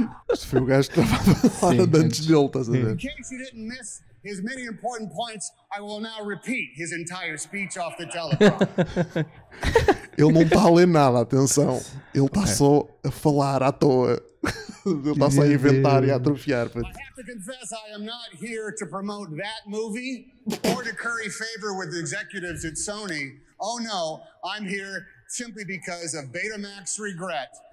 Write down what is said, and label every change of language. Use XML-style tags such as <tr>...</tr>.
<pt>Este foi o gajo que estava a falar antes dele, estás a ver?</pt> <en>In case you didn't miss his many important points, I will now repeat his entire speech off the telephone.</en> <pt>Ele não está a ler nada, atenção. Ele está só a falar à toa. Ele está só a inventar e a atrofiar.</pt> <en>I have to confess, I am not here to promote that movie or to curry favor with the executives at Sony. Oh no, I'm here simply because of Betamax regret.</en>